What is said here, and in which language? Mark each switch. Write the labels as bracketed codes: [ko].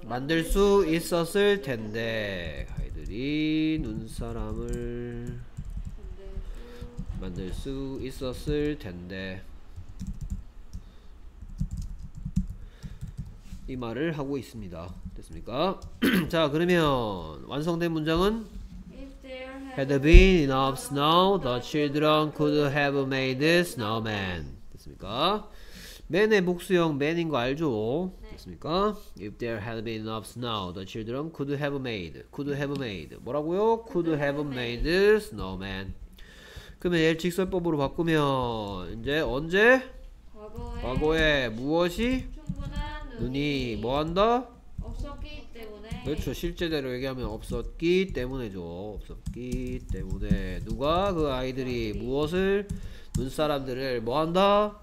[ko] 만들 수 있었을 텐데. 아이들이 눈사람을 만들 수 있었을 텐데 이 말을 하고 있습니다. 됐습니까? 자 그러면 완성된 문장은 [en] had been enough snow the children could have made snowman. [ko] 됐습니까? man의 복수형 man인 거 알죠? 네. 됐습니까? [en] if there had been enough snow the children could have made b��라고요? could have made snowman. [ko] 그러면 얘를 직설법으로 바꾸면 이제 언제? 과거에 무엇이? 눈이 뭐한다? 없었기 때문에. 그렇죠. 실제대로 얘기하면 없었기 때문에죠. 없었기 때문에 누가 그 아이들이 무엇을 눈 사람들을 뭐한다?